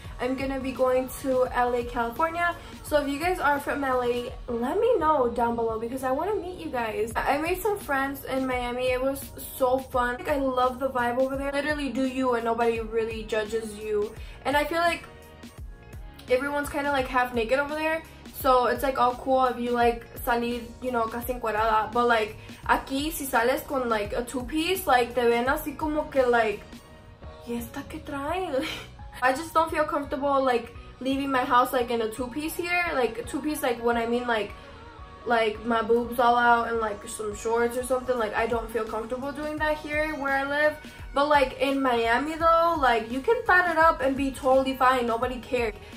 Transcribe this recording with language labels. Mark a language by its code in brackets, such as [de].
[en] I'm gonna be going to LA, California. So if you guys are from LA, let me know down below, because I wanna meet you guys. I made some friends in Miami. It was so fun. Like, I love the vibe over there. Literally do you and nobody really judges you. And I feel like everyone's kinda like half naked over there. So it's like all cool if you like salir, you know, [es] casi encuerada. But like, aquí, si sales con [en] like a two-piece, [es] like, te ven así como que like, ¿y esta qué trae? [en] I just don't feel comfortable like leaving my house like in a two-piece here. Like, two-piece, like, what I mean, like my boobs all out and like some shorts or something. Like, I don't feel comfortable doing that here where I live. But like in Miami though, like, you can fat it up and be totally fine. Nobody cares.